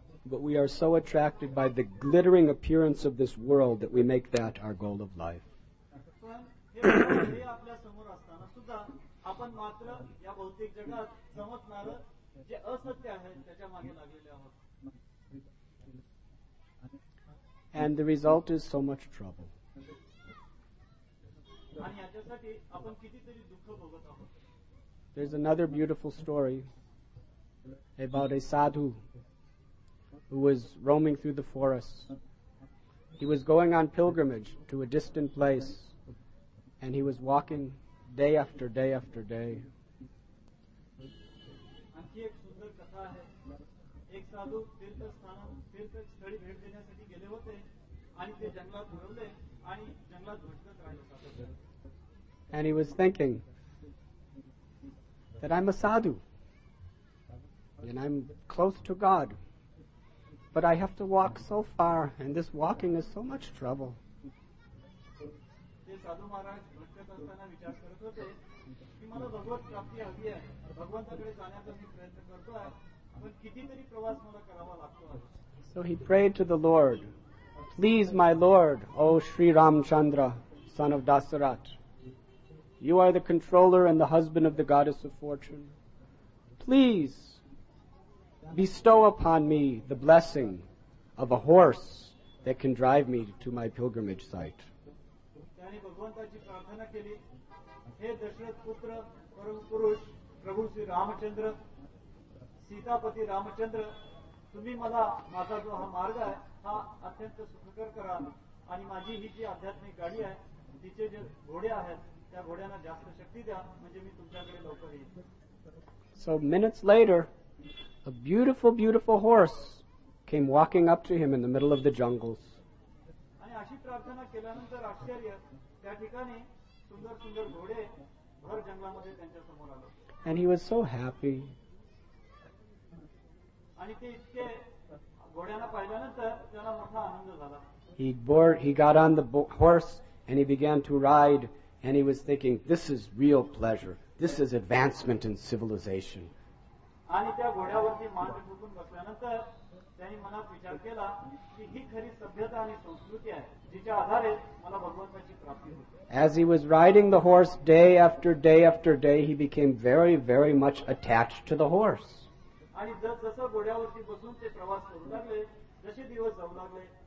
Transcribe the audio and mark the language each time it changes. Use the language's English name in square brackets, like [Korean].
[English] But we are so attracted by the glittering appearance of this world that we make that our goal of life. [Marathi] हे आपल्या समोर असताना सुद्धा आपण मात्र या भौतिक जगात चमकणारं जे असत्य आहे त्याच्या मागे लागलेले आहोत. [English] And the result is so much trouble. [Marathi] आणि याच्यासाठी आपण कितीतरी दुःख भोगत आहोत. [English] There's another beautiful story about a sadhu who was roaming through the forests. He was going on pilgrimage to a distant place and he was walking day after day after day. [Marathi] आणखी एक सुंदर कथा आहे. एक साधू तीर्थस्थळी भेट देण्यासाठी गेले होते आणि ते जंगलात घुरवले आणि जंगलात भटकत राहिले होते. [English] And he was thinking that I'm a sadhu and I'm close to God. But I have to walk so far and this walking is so much trouble. [Marathi] ते साधु महाराज भटकत असताना विचार करत होते की मला भगवत प्राप्ती हवी आहे, भगवंताकडे जाण्याचा मी प्रयत्न करतो आहे पण कितीतरी प्रवास मला करावा लागतो आहे. [English] So he prayed to the Lord, please my Lord, O Sri Ramchandra, son of Dasarath, you are the controller and the husband of the goddess of fortune. Please bestow upon me the blessing of a horse that can drive me to my pilgrimage site. [Marathi] त्याने भगवंताची प्रार्थना केली, हे दशरथ पुत्र परम पुरुष प्रभु श्री रामचंद्र सीतापती रामचंद्र, तुम्ही मला माझा जो हा मार्ग आहे हा अत्यंत सुखकर करा आणि माझी ही जी आध्यात्मिक गाडी आहे तिचे जे घोडे आहेत त्या घोड्यांना जास्त शक्ती द्या म्हणजे मी तुमच्याकडे लवकर येईन. [English] So minutes later a beautiful, beautiful horse came walking up to him in the middle of the jungles. [Marathi] आणि अशी प्रार्थना केल्यानंतर आश्चर्य त्या ठिकाणी सुंदर सुंदर घोडे भर जंगलामध्ये त्यांच्या समोर आले. [English] And he was so happy. [Marathi] आणि ते इतके घोड्यांना पाहिल्यानंतर त्याला मोठा आनंद झाला. [English] He got on the horse and he began to ride and he was thinking, this is real pleasure, this is advancement in civilization. [Marathi] आणि त्या घोड्यावरती मान ठोकून बसल्यानंतर त्यांनी मला विचार केला की ही खरी सभ्यता आणि संस्कृती आहे जिच्या आधारे मला भगवंताची प्राप्ती होते. [English] As he was riding the horse day after day after day, he became very, very much attached to the horse. [Marathi] आणि जसजसे घोड्यावरती बसून ते प्रवास करू लागले, जसे दिवस जाऊ लागले,